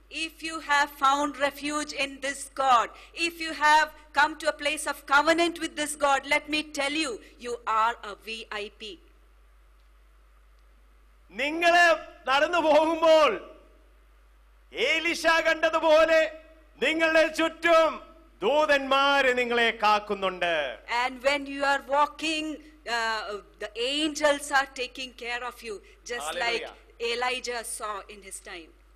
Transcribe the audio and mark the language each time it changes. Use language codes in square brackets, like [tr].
[en] if you have found refuge in this god if you have come to a place of covenant with this god let me tell you you are a vip [ml] നിങ്ങളെ നടന്നു പോകുമ്പോൾ ഏലീഷ കണ്ടതുപോലെ നിങ്ങളുടെ ചുറ്റും ദൂതന്മാരെ നിങ്ങളെ കാക്കുന്നുണ്ട് [en] and when you are walking the angels are taking care of you just Hallelujah. Like Elijah saw in his time